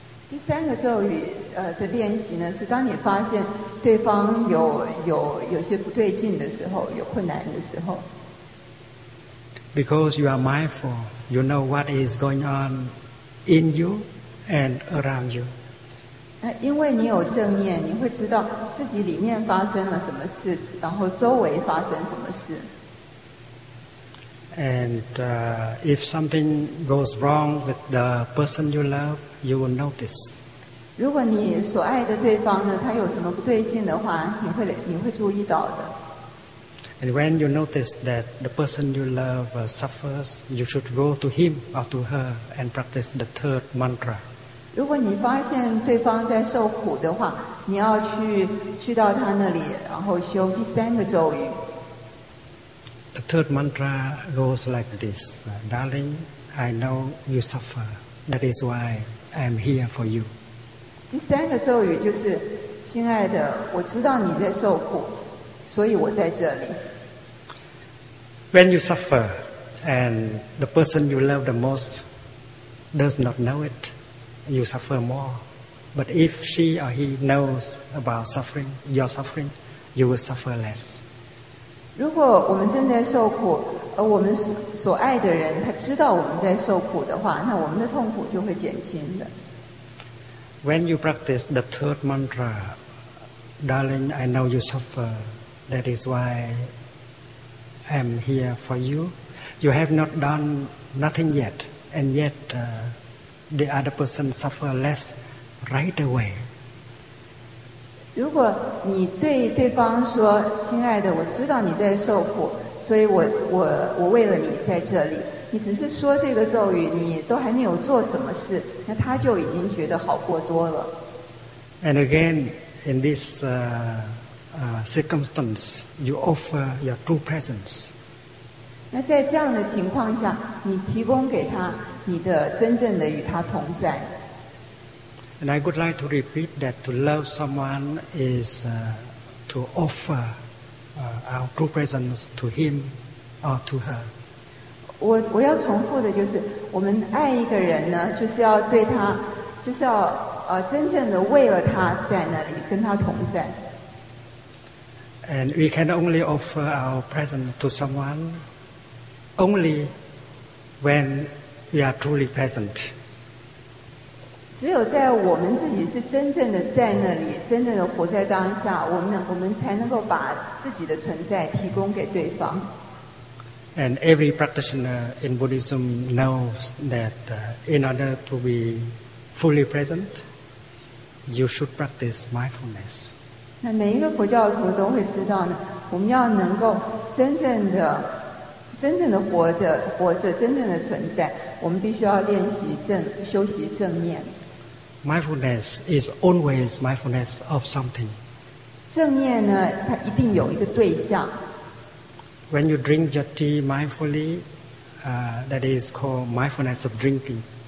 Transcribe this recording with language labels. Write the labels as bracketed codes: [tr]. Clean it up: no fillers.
[zh] 第三个咒语的练习呢，是当你发现对方有些不对劲的时候，有困难的时候。 [en] Because you are mindful, you know what is going on in you and around you. [zh] 因为你有正念，你会知道自己里面发生了什么事，然后周围发生什么事。 [en] And if something goes wrong with the person you love, you will notice. [zh] 如果你所爱的对方呢，他有什么不对劲的话，你会注意到的。 [en] And when you notice that the person you love suffers, you should go to him or to her and practice the third mantra. [zh] 如果你发现对方在受苦的话，你要去到他那里，然后修第三个咒语。 [en] The third mantra goes like this: Darling, I know you suffer. That is why I'm here for you. [zh] 第三个咒语就是，亲爱的，我知道你在受苦，所以我在这里。 [en] When you suffer and the person you love the most does not know it, you suffer more. But if she or he knows about suffering, your suffering, you will suffer less. [zh] 如果我们正在受苦，而我们所爱的人他知道我们在受苦的话，那我们的痛苦就会减轻的。 [en] When you practice the third mantra, Darling, I know you suffer. That is why I'm here for you. You have not done nothing yet, and yet the other person suffer less right away. [zh] 如果你对对方说，亲爱的，我知道你在受苦，所以我为了你在这里。你只是说这个咒语，你都还没有做什么事，那他就已经觉得好过多了。 [en] And again, in this circumstance, you offer your true presence. [zh] 那在这样的情况下，你提供给他你的真正的与他同在。 [en] And I would like to repeat that to love someone is to offer our true presence to him or to her. [zh] 我要重复的就是，我们爱一个人呢，就是要对他，就是要真正的为了他在那里跟他同在。 [en] And we can only offer our presence to someone only when we are truly present. [zh] 只有在我们自己是真正的在那里，真正的活在当下，我们才能够把自己的存在提供给对方。 [en] And every practitioner in Buddhism knows that in order to be fully present, you should practice mindfulness. [zh] 那每一个佛教徒都会知道呢，我们要能够真正的活着，真正的存在，我们必须要练习修习正念。 [en] Mindfulness is always mindfulness of something. [zh] 正念呢，它一定有一个对象。 [en] When you drink your tea mindfully, that is called mindfulness of drinking.